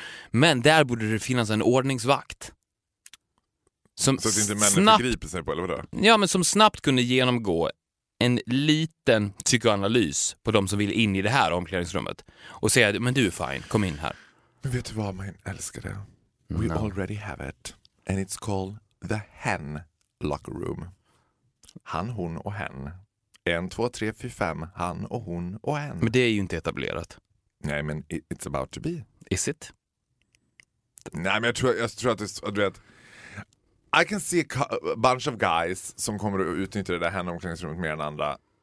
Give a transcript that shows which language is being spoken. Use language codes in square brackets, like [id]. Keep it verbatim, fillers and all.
[sv] Men där borde det finnas en ordningsvakt. Som så att inte männen snabbt förgriper sig på, eller vadå? Ja, men som snabbt kunde genomgå en liten psykoanalys på de som vill in i det här omklädningsrummet. Och säga, men du är fine, kom in här. Men vet du vad, man älskar det? [en] We no. already have it. And it's called the hen locker room. [sv] Han, hon och hen. En, två, tre, fyra, fem. Han och hon och hen. Men det är ju inte etablerat. Nej, men [en] it's about to be. Is it? [sv] Nej, men jag tror, jag tror att det, du vet, [en] I can see a bunch of guys [sv] som kommer att utnyttja det där hen omklädningsrummet mer än andra.